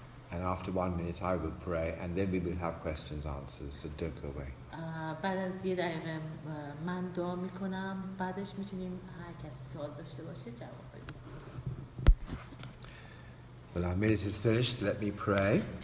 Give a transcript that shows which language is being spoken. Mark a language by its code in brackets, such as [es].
[en] And after 1 minute, I will pray, and then we will have questions and answers. So don't go away. [fa] بعد از یه دقیقه من دعا میکنم. بعدش میتونیم هر کسی سوال داشته باشه جواب بدیم. [en] Well, our minute is finished. Let me pray.